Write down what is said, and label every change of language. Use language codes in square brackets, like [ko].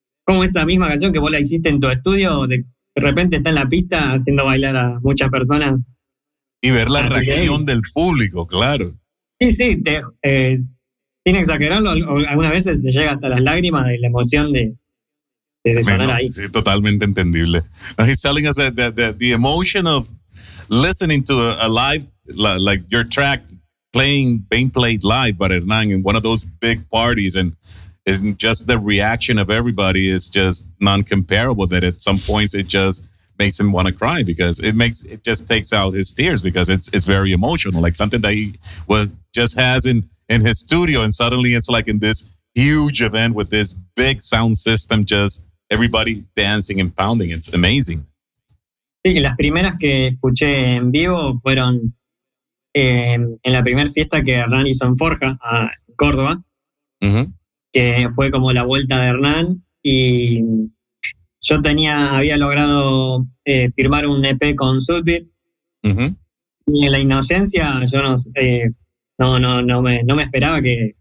[es] como esa misma canción que vos la hiciste en tu estudio, de repente está en la pista haciendo bailar a muchas personas. Y ver la reacción del público, claro. Sí, sí, sin exagerarlo, algunas veces se llega hasta las lágrimas y la emoción de sonar ahí. Sí, totalmente entendible. [en] He's telling us that the emotion of listening to a live, like your track, being played live by Hernán in one of those big parties, and isn't just the reaction of everybody is just non-comparable, that at some points it just makes him want to cry because it just takes out his tears because it's very emotional, like something that he has in his studio, and suddenly it's like in this huge event with this big sound system, just everybody dancing and pounding. It's amazing. [es] Sí, las primeras que escuché en vivo fueron en la primera fiesta que Hernán hizo en Forja, en Córdoba, que fue como la vuelta de Hernán, y yo había logrado firmar un EP con Sudbeat, y en la inocencia yo no me esperaba que...